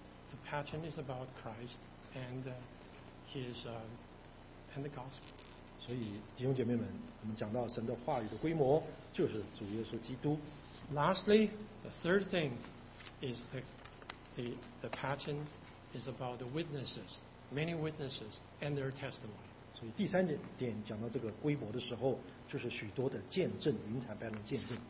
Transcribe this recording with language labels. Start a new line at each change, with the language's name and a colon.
English: The pattern is about Christ and his and the gospel.
Chinese: 所以弟兄姐妹们，我们讲到神的话语的规模就是主耶稣基督。
English: Lastly, the third thing is the pattern is about the witnesses, many witnesses and their testimony.
Chinese: 所以第三点讲到这个规模的时候，就是许多的见证，云彩般的见证。